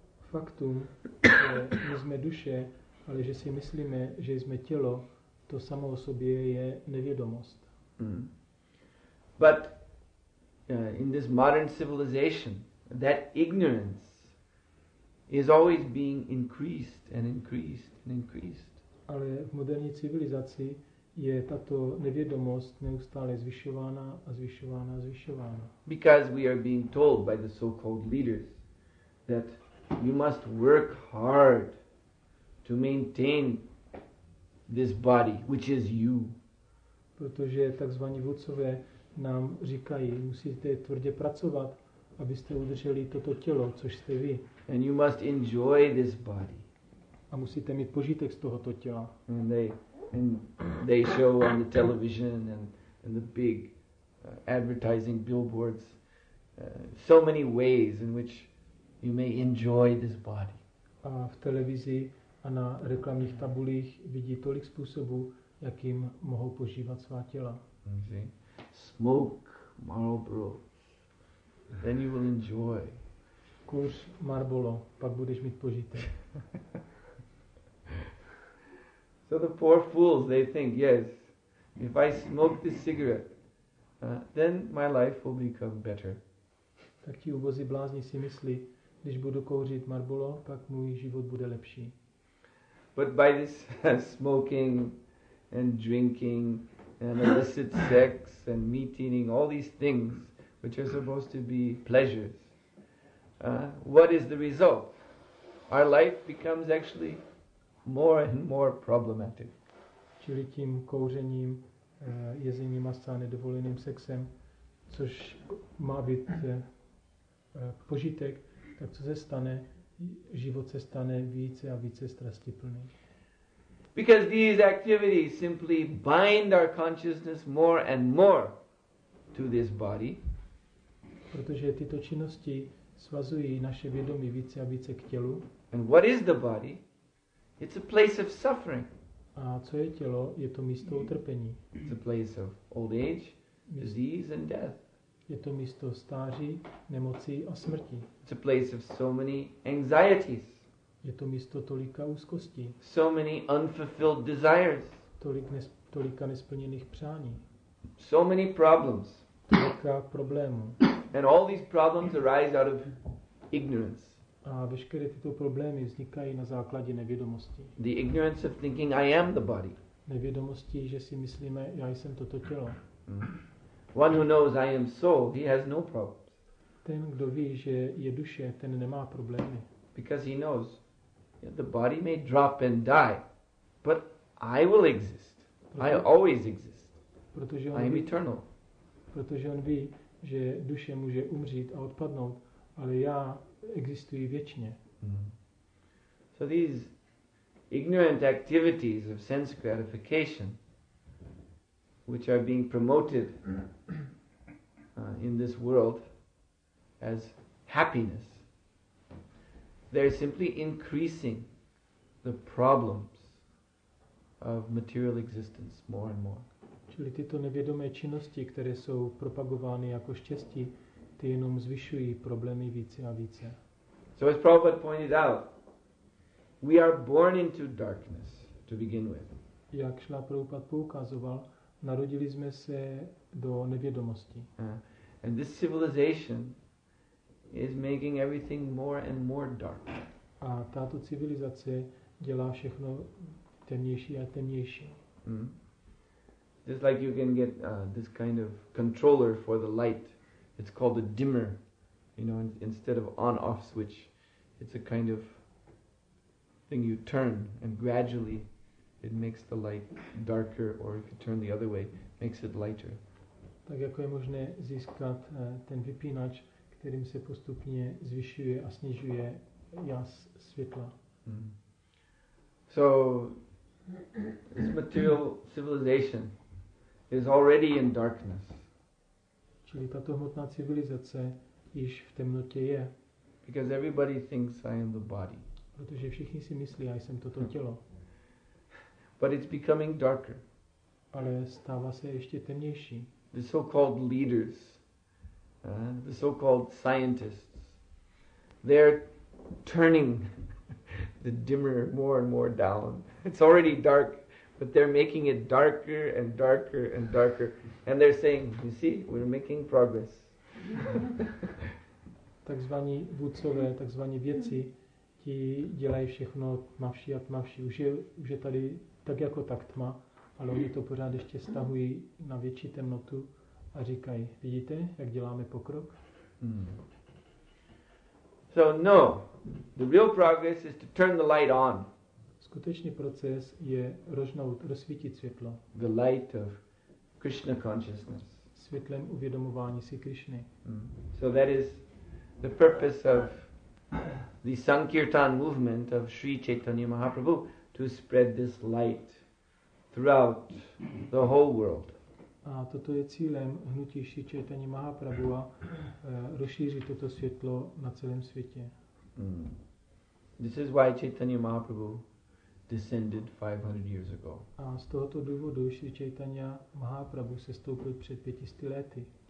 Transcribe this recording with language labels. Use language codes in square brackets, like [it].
[cs] Faktum, že my jsme duše, ale že si myslíme, že jsme tělo, to samo o sobě je nevědomost. [en] But in this modern civilization, that ignorance is always being increased and increased and increased. [cs] Ale v moderní civilizaci je tato nevědomost neustále zvyšována a zvyšována a zvyšována. [en] Because we are being told by the so-called leaders that you must work hard to maintain this body, which is you. [cs] Protože takzvaní vůdcové nám říkají, musíte tvrdě pracovat, abyste udrželi toto tělo, což jste vy. [en] And you must enjoy this body. [cs] A musíte mít požitek z tohoto těla. [en] And they show on the television and the big advertising billboards so many ways in which you may enjoy this body. [cs] A v televizi a na reklamních tabulích vidí tolik způsobů, jakým mohou požívat svá těla. [en] Smoke Marlboro. Then you will enjoy. [cs] Kouř Marlboro, pak budeš mít požitek. [en] So the poor fools, they think, yes, if I smoke this cigarette, then my life will become better. [cs] Tak ti ubozí blázni si myslí, když budu kouřit Marlboro, pak můj život bude lepší. [en] But by this smoking and drinking and illicit sex and meat eating, all these things which are supposed to be pleasures, what is the result? Our life becomes actually more and more problematic. [cs] Čili tím kouřením, jezením a nedovoleným sexem, což má být požitek, tak co se stane, život se stane více a více strastiplný. [en] Because these activities simply bind our consciousness more and more to this body. [cs] Protože tyto činnosti svazují naše vědomí více a více k tělu. [en] And what is the body? It's a place of suffering. [cs] A co je tělo? Je to místo utrpení. [en] It's a place of old age, disease and death. [cs] Je to místo stáří, nemocí a smrti. [en] It's a place of so many anxieties. [cs] Je to místo tolika úzkostí. [en] So many unfulfilled desires. [cs] Tolika nesplněných přání. [en] So many problems. [cs] Tolika problémů. [en] And all these problems arise out of ignorance. [cs] A veškeré tyto problémy vznikají na základě nevědomosti. [en] The ignorance of thinking I am the body. [cs] Nevědomosti, že si myslíme, já jsem toto tělo. [en] One who knows I am soul, he has no problems. [cs] Ten, kdo ví, že je duše, ten nemá problémy. [en] Because he knows the body may drop and die, but I will exist. I always exist. [cs] Protože [en] I am eternal. [cs] Protože on ví, že duše může umřít a odpadnout, ale já existuji věčně. [en] So these ignorant activities of sense gratification which are being promoted in this world as happiness, they're simply increasing the problems of material existence more and more. [cs] Čili tyto nevědomé činnosti, které jsou propagovány jako štěstí, ty jenom zvyšují problémy více a více. [en] So as Prabhupada pointed out, we are born into darkness to begin with. [cs] Jak Šla Prabhupada poukazoval, narodili jsme se do nevědomosti. [en] And this civilization is making everything more and more dark. [cs] A tato civilizace dělá všechno temnější a temnější. [en] Just like you can get this kind of controller for the light. It's called a dimmer. You know, instead of on-off switch, it's a kind of thing you turn and gradually it makes the light darker, or if you turn the other way, makes it lighter. [cs] Tak jako je možné získat ten vypínač, kterým se postupně zvyšuje a snižuje jas světla. [en] So this material civilization is already in darkness. [cs] Čili tato hmotná civilizace již v temnotě je. [en] Because everybody thinks I am the body. [cs] Protože všichni si myslí, já jsem toto tělo. [en] But it's becoming darker. [cs] Ale stává se ještě temnější. [en] The so-called leaders, the so-called scientists, they're turning the dimmer more and more down. It's already dark, but they're making it darker and darker and darker. And they're saying, you see, we're making progress. [cs] Takzvaní vůdcové, takzvaní vědci, ti dělají všechno tmavší a tmavší. Už je tady tak jako tak tma, ale oni to pořád ještě stahují na větší temnotu a říkají, vidíte, jak děláme pokrok? [en] So no, the real progress is to turn the light on. [cs] Skutečný proces je rožnout, rozsvítit světlo. [en] The light of Krishna consciousness. [cs] Světlem uvědomování si Krishny. [en] So that is the purpose of the Sankirtan movement of Sri Chaitanya Mahaprabhu, to spread this light throughout the whole world. [cs] A toto je cílem hnutí Sri Chaitanya Mahaprabhu, rozšířit toto světlo na celém světě. [en] This is why Chaitanya Mahaprabhu descended 500 years ago. [cs] A z tohoto důvodu Sri Chaitanya Mahaprabhu sestoupil před 500 lety.